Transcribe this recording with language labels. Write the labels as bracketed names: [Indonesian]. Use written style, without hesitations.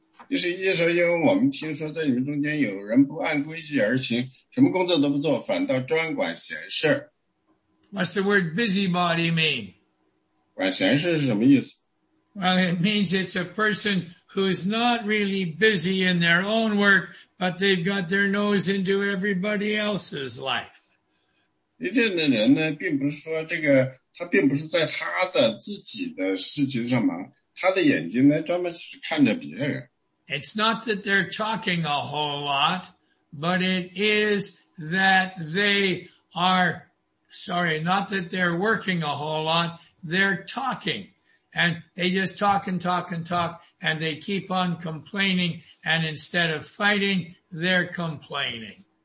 [Chinese] 就是意思说，因为我们听说在你们中间有人不按规矩而行，什么工作都不做，反倒专管闲事。 [English] What's the word busybody mean? [Chinese] 管闲事是什么意思？ [English] Well, it means it's a person who's not really busy in their own work, but they've got their nose into everybody else's life. [Chinese] 这样的人呢，并不是说这个他并不是在他的自己的事情上忙，他的眼睛呢，专门只看着别人。 [English] It's not that they're talking a whole lot, but it is that they are, sorry, not that they're working a whole lot, they're talking. And they just talk and talk and talk, and they keep on complaining, and instead of fighting, they're complaining.